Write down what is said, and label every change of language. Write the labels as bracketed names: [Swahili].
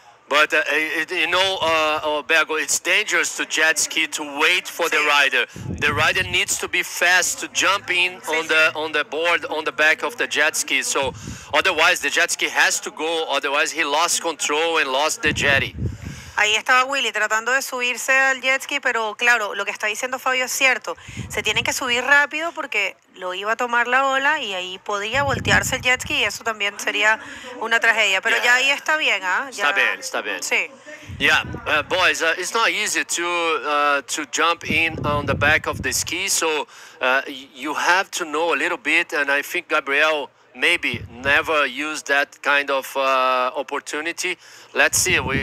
[English] But, Bego, it's dangerous to jet ski to wait for the rider. The rider needs to be fast to jump in on the board, on the back of the jet ski. So, otherwise, the jet ski has to go. Otherwise, he lost control and lost the jetty. [Spanish] Ahí estaba Willy tratando de subirse al jet ski, pero claro, lo que está diciendo Fabio es cierto. Se tienen que subir rápido porque lo iba a tomar la ola y ahí podía voltearse el jet ski y eso también sería una tragedia. Pero ya ahí está bien, ¿ah? ¿Eh? Está bien. Sí. [English] Yeah, boys, it's not easy to jump in on the back of the ski, so you have to know a little bit, and I think Gabriel maybe never use that kind of opportunity. Let's see.